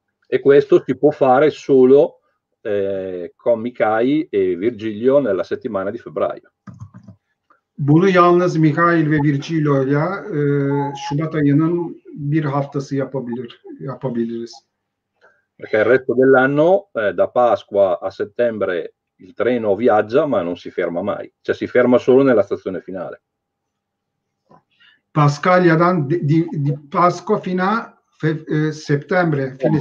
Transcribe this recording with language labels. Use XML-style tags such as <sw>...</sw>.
<it>E questo si può fare solo con Mikhail e Virgilio nella settimana di febbraio.</it> <tr>Bunu yalnız Mikhail ve Virgilio ile Şubat ayının bir haftası yapabiliriz.</tr> <it>Perché il resto dell'anno da Pasqua a settembre il treno viaggia ma non si ferma mai, cioè si ferma solo nella stazione finale.</it> <tr>Paskalya'dan</tr> <it>di Pasqua fino a settembre, fine</it>